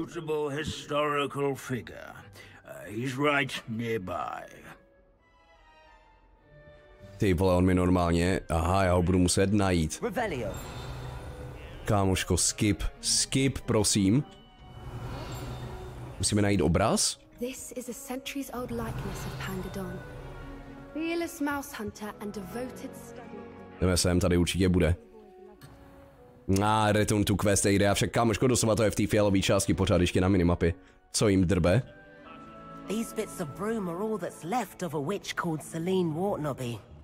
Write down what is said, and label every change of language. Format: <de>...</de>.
<en>Notable historical figure. He's right nearby.</en> <cs>Ty vole, on mi normálně, aha, já ho budu muset najít. Kámoško, skip, prosím. Musíme najít obraz?</cs> <en>This is a centuries old likeness of Pangadon. Fearless mouse hunter and devoted study.</en> <cs>Jdeme sem, tady určitě bude. A return to quest jde, avšak kámoško, doslova to je v té fialové části pořád ještě na minimapy. Co jim drbe?</cs> <en>These bits of broom are all that's left of a witch called Celine Wartnoby.</en>